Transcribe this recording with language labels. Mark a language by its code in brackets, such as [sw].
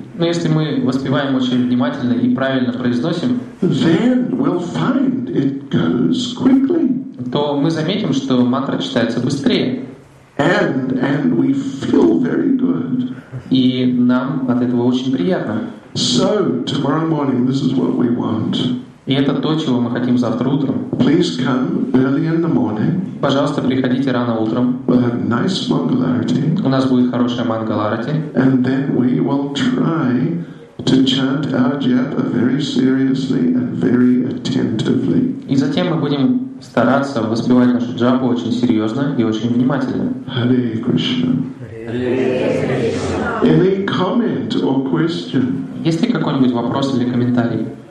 [ru] но если мы воспеваем очень внимательно и правильно произносим, [en] then we'll find it goes quickly. [ru] То мы заметим, что мантра читается быстрее. [en] And we feel very good. [ru] И нам от этого очень приятно. [en] So, tomorrow morning, this is what we want. [ru] И это то, чего мы хотим завтра утром. [en] Please come early in the morning. [ru] Пожалуйста, приходите рано утром. [en] We'll have nice mangalarti. [ru] У нас будет хорошая мангаларати. [en] And then we will try to chant our japa very seriously and very attentively. [ru] И затем мы будем стараться воспевать нашу джапу очень серьезно и очень внимательно. [en] Hare Krishna. Hare Krishna. Any comment or question? [ru] Есть ли какой-нибудь вопрос или комментарий?